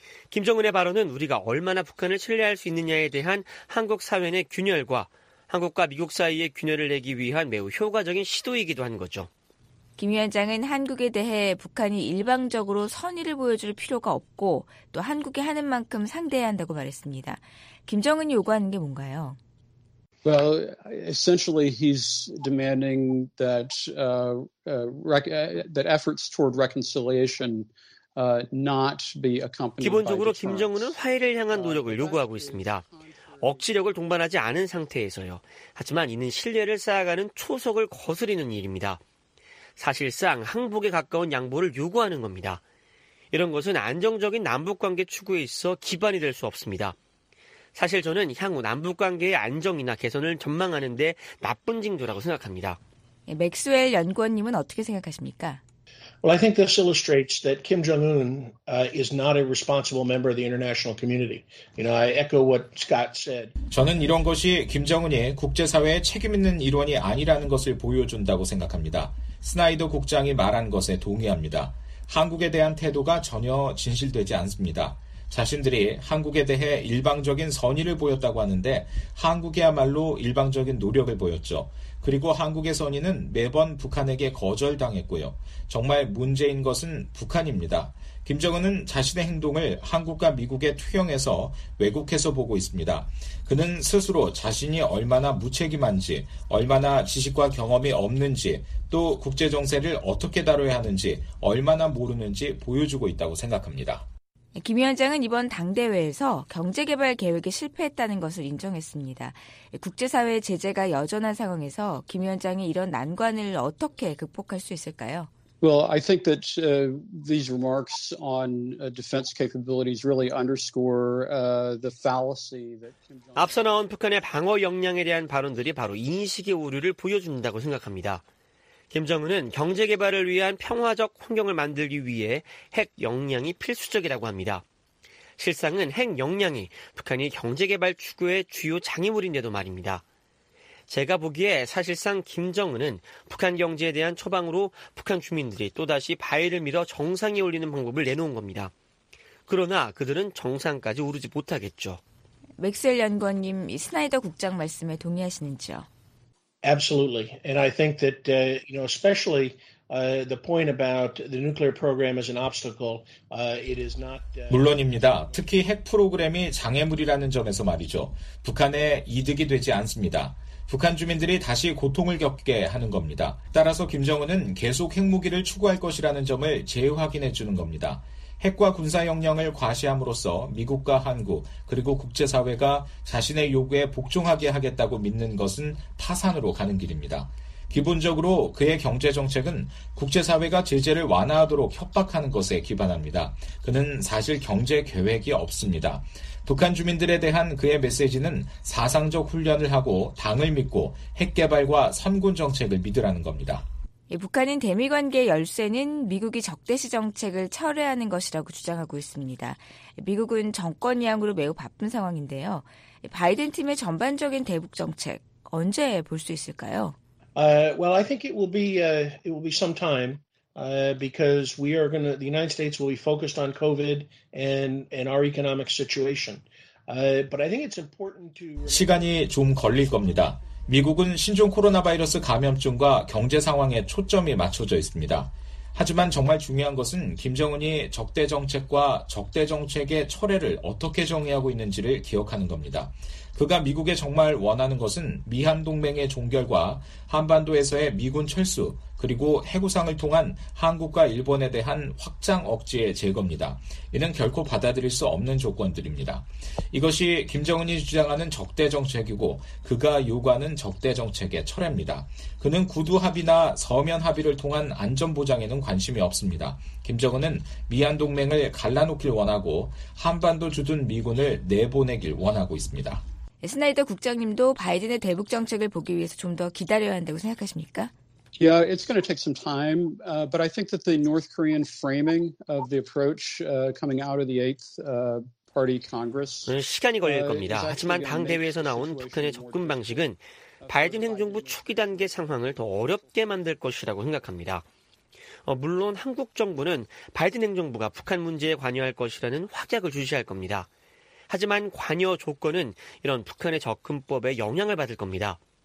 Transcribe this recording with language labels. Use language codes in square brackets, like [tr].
[ko] 김정은의 발언은 우리가 얼마나 북한을 신뢰할 수 있느냐에 대한 한국 사회의 균열과 한국과 미국 사이의 균열을 내기 위한 매우 효과적인 시도이기도 한 거죠. 김 위원장은 한국에 대해 북한이 일방적으로 선의를 보여줄 필요가 없고 또 한국이 하는 만큼 상대해야 한다고 말했습니다. 김정은이 요구하는 게 뭔가요? [en] Well, essentially he's demanding that that efforts toward reconciliation not be accompanied by [ko] 기본적으로 김정은은 화해를 향한 노력을 요구하고 있습니다. 억지력을 동반하지 않은 상태에서요. 하지만 이는 신뢰를 쌓아가는 초석을 거스르는 일입니다. 사실상 항복에 가까운 양보를 요구하는 겁니다. 이런 것은 안정적인 남북관계 추구에 있어 기반이 될 수 없습니다. 사실 저는 향후 남북관계의 안정이나 개선을 전망하는 데 나쁜 징조라고 생각합니다. 맥스웰 연구원님은 어떻게 생각하십니까? [en] Well, I think this illustrates that Kim Jong-un is not a responsible member of the international community. You know, I echo what Scott said. [ko] 저는 이런 것이 김정은이 국제사회의 책임 있는 일원이 아니라는 것을 보여준다고 생각합니다. 스나이더 국장이 말한 것에 동의합니다. 한국에 대한 태도가 전혀 진실되지 않습니다. 자신들이 한국에 대해 일방적인 선의를 보였다고 하는데 한국이야말로 일방적인 노력을 보였죠. 그리고 한국의 선의는 매번 북한에게 거절당했고요. 정말 문제인 것은 북한입니다. 김정은은 자신의 행동을 한국과 미국의 투영에서 왜곡해서 보고 있습니다. 그는 스스로 자신이 얼마나 무책임한지, 얼마나 지식과 경험이 없는지, 또 국제정세를 어떻게 다뤄야 하는지, 얼마나 모르는지 보여주고 있다고 생각합니다. 김 위원장은 이번 당대회에서 경제개발 계획이 실패했다는 것을 인정했습니다. 국제사회의 제재가 여전한 상황에서 김 위원장이 이런 난관을 어떻게 극복할 수 있을까요? [en] Well, I think that these remarks on defense capabilities really underscore the fallacy that Kim Jong-un [ko] 앞서 나온 북한의 방어 역량에 대한 발언들이 바로 인식의 오류를 보여준다고 생각합니다. 김정은은 경제 개발을 위한 평화적 환경을 만들기 위해 핵 역량이 필수적이라고 합니다. 실상은 핵 역량이 북한이 경제 개발 추구의 주요 장애물인데도 말입니다. 제가 보기에 사실상 김정은은 북한 경제에 대한 처방으로 북한 주민들이 또다시 바위를 밀어 정상에 올리는 방법을 내놓은 겁니다. 그러나 그들은 정상까지 오르지 못하겠죠. 맥스웰 연구원님, 스나이더 국장 말씀에 동의하시는지요? [en] Absolutely. And I think that, you know, especially the point about the nuclear program as an obstacle, it is not... [ko] 물론입니다. 특히 핵 프로그램이 장애물이라는 점에서 말이죠. 북한에 이득이 되지 않습니다. 북한 주민들이 다시 고통을 겪게 하는 겁니다. 따라서 김정은은 계속 핵무기를 추구할 것이라는 점을 재확인해 주는 겁니다. 핵과 군사 역량을 과시함으로써 미국과 한국 그리고 국제사회가 자신의 요구에 복종하게 하겠다고 믿는 것은 파산으로 가는 길입니다. 기본적으로 그의 경제정책은 국제사회가 제재를 완화하도록 협박하는 것에 기반합니다. 그는 사실 경제계획이 없습니다. 북한 주민들에 대한 그의 메시지는 사상적 훈련을 하고 당을 믿고 핵개발과 선군정책을 믿으라는 겁니다. 북한은 대미관계 열쇠는 미국이 적대시 정책을 철회하는 것이라고 주장하고 있습니다. 미국은 정권 이양으로 매우 바쁜 상황인데요. 바이든 팀의 전반적인 대북 정책 언제 볼 수 있을까요? [en] Well, I think it will be some time because we are going to the United States will be focused on COVID and our economic situation. But I think it's important to [ko] 시간이 좀 걸릴 겁니다. 미국은 신종 코로나 바이러스 감염증과 경제 상황에 초점이 맞춰져 있습니다. 하지만 정말 중요한 것은 김정은이 적대 정책과 적대 정책의 철회를 어떻게 정의하고 있는지를 기억하는 겁니다. 그가 미국에 정말 원하는 것은 미한 동맹의 종결과 한반도에서의 미군 철수 그리고 해구상을 통한 한국과 일본에 대한 확장 억제의 제거입니다. 이는 결코 받아들일 수 없는 조건들입니다. 이것이 김정은이 주장하는 적대 정책이고 그가 요구하는 적대 정책의 철회입니다. 그는 구두 합의나 서면 합의를 통한 안전 보장에는 관심이 없습니다. 김정은은 미한 동맹을 갈라놓길 원하고 한반도 주둔 미군을 내보내길 원하고 있습니다. 스나이더 국장님도 바이든의 대북 정책을 보기 위해서 좀 더 기다려야 한다고 생각하십니까? [en] Yeah, it's going to take some time, but I think that the North Korean framing of the approach coming out of the Eighth Party Congress [ko] 시간이 걸릴 겁니다. 하지만 당 대회에서 나온 북한의 접근 방식은 바이든 행정부 초기 단계 상황을 더 어렵게 만들 것이라고 생각합니다. 물론 한국 정부는 바이든 행정부가 북한 문제에 관여할 것이라는 확약을 주시할 겁니다. 하지만 관여 조건은 이런 북한의 접근법에 영향을 받을 겁니다.